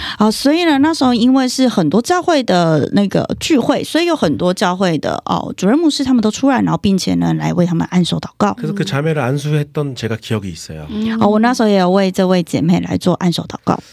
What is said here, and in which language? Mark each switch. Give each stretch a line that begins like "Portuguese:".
Chinese: 아, 所以呢那时候因为是很多教会的那个聚会所以有很多教会的主任牧师他们都出来然后并且呢来为他们按手祷告
Korean: 그래서 그 자매를 안수했던 제가 기억이 있어요.
Chinese: 我那时候也为这位姐妹来做按手祷告